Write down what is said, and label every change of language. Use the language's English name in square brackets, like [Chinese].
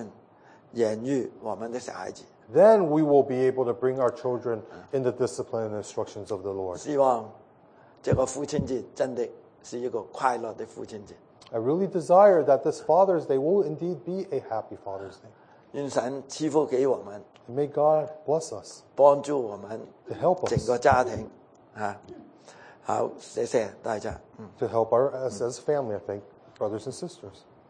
[Chinese] 这样才可以照着主的教训养育我们的小孩子。 [English] Then we will be able to bring our children in the discipline and instructions of the Lord. [Chinese] 希望这个父亲节真的是一个快乐的父亲节。 [English] I really desire that this Father's Day will indeed be a happy Father's Day. [Chinese] 愿神赐福给我们。 [English] May God bless us. [Chinese] 帮助我们。 [English] To help us. [Chinese] 整个家庭。好，谢谢大家。 [English] To help us as a family, I think, brothers and sisters.